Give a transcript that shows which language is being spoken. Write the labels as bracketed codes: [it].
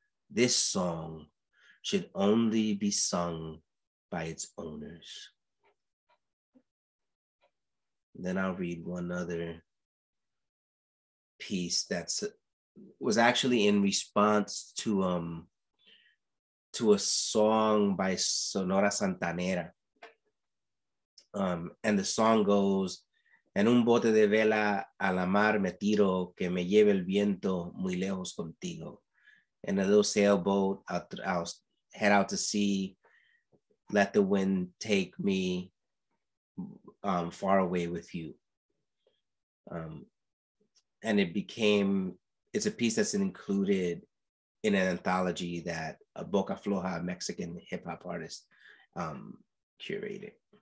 [en] This song should only be sung by its owners. Then I'll read one other piece that was actually in response to a song by Sonora Santanera. And the song goes, [es] en un bote de vela a la mar me tiro que me lleve el viento muy lejos contigo. [en] In a little sailboat, I'll head out to sea, let the wind take me far away with you. And it's a piece that's included in an anthology that a Boca Floja Mexican hip hop artist curated.